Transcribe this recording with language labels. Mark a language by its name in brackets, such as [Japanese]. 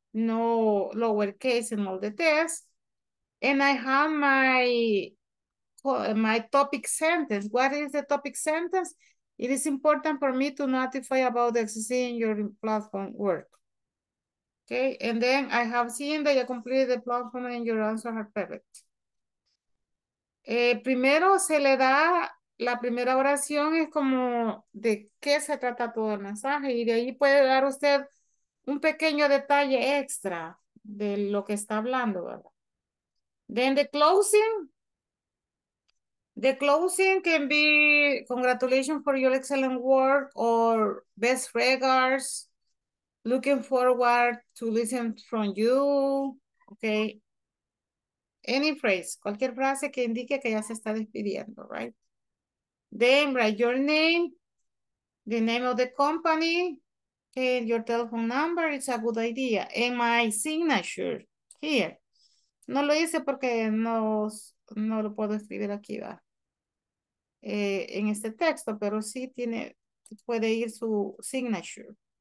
[English] No lowercase in all the tests. And I have my topic sentence. What is the topic sentence? It is important for me to notify about the success in your platform work. Okay, and then I have seen that you completed the platform and your answers are perfect. [Spanish] Primero se le da, la primera oración es como de qué se trata todo el mensaje y de ahí puede dar usted un pequeño detalle extra de lo que está hablando, ¿verdad? [English] Then the closing can be congratulations for your excellent work or best regards, looking forward to listen from you, okay? Any phrase, [Spanish] cualquier frase que indique que ya se está despidiendo, right? [English] Then write your name, the name of the company, and your telephone number is a good idea. And my signature here. [Spanish] No lo hice porque no lo puedo escribir aquí, va. En este texto, pero sí tiene, puede ir su signature.